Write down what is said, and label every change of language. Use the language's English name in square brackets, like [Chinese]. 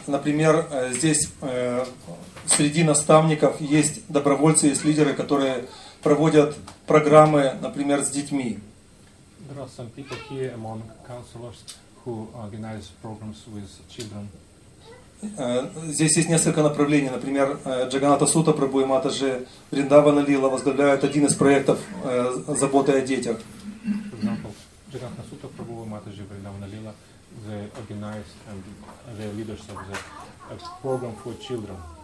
[Russian] Например, здесь среди наставников есть добровольцы, есть лидеры, которые проводят программы, например, с детьми. [English] There are some people here among counselors who organize programs with children. [Russian] Здесь есть несколько направлений. Например, Джаганата Сута Прабу и Матаджи Вриндавана Лила возглавляют один из проектов заботы о детях. [English] Джаганата Сута Прабу и Матаджи Вриндавана Лила organize the leadership of the program for children.